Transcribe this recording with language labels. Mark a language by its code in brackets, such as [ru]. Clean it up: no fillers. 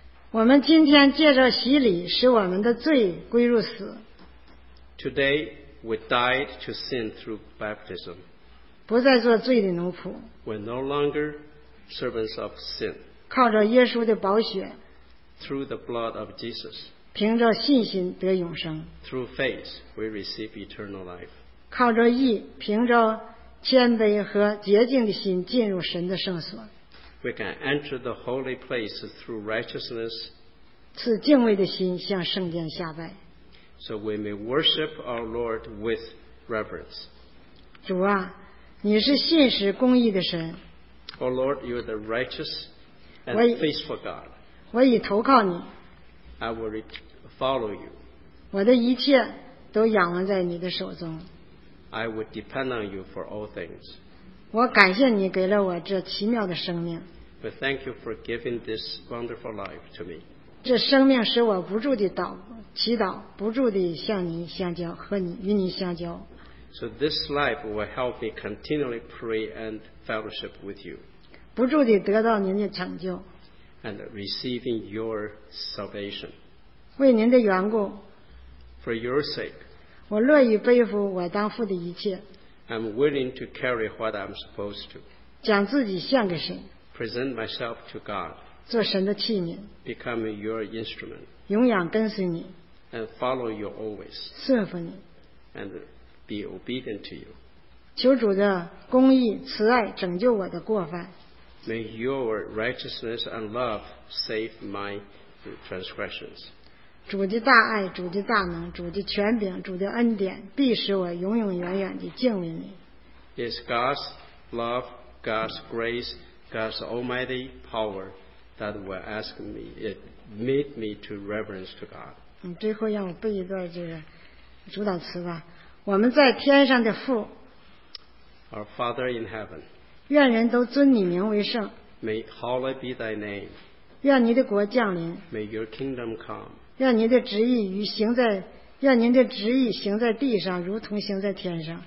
[zh] 我们今天借着洗礼，使我们的罪归入死。 [en] Today we died to sin through baptism. [zh] 不再做罪的奴仆。 [en] We're no longer servants of sin. [zh] 靠着耶稣的宝血。 [en] Through the blood of Jesus. [zh] 凭着信心得永生。 [en] Through faith, we receive eternal life. [zh] 靠着义，凭着谦卑和洁净的心进入神的圣所。 [en] We can enter the holy place through righteousness. [zh] 赐敬畏的心向圣殿下拜。 [en] So we may worship our Lord with reverence. [zh] 主啊，你是信实公义的神。 [en] Oh Lord, you are the righteous and faithful God. [zh] 我已投靠你。 [en] I will follow you. [zh] 我的一切都仰望在你的手中。 [en] I would depend on you for all things. [zh] 我感谢你给了我这奇妙的生命。 [en] But thank you for giving this wonderful life to me. [zh] 这生命使我不住地祈祷，不住地向你相交，和你与你相交。 [en] So this life will help me continually pray and fellowship with you. [zh] 不住地得到您的成就。 [en] And receiving your salvation. [zh] 为您的缘故。 [en] For your sake. [zh] 我乐意背负我当负的一切。 [en] I'm willing to carry what I'm supposed to. [zh] 将自己献给神。 [en] Present myself to God. [zh] 做神的器皿。 [en] Become your instrument. [zh] 永远跟随你。 [en] And follow you always. [zh] 侍奉你。 [en] And be obedient to you. [zh] 求主的公义、慈爱拯救我的过犯。 [en] May your righteousness and love save my transgressions. [zh] 主的大爱，主的大能，主的权柄，主的恩典，必使我永永远远地敬畏你。 [en] It's God's love, God's grace, God's almighty power that will ask me, it made me to reverence to God. [zh] 最后让我背一段这个主导词吧。我们在天上的父。 [en] Our Father in heaven. [zh] 愿人都尊你名为圣。 [en] May hallowed be thy name. [zh] 愿你的国降临。 [en] May your kingdom come. [zh] 愿您的旨意与行在，愿您的旨意行在地上，如同行在天上。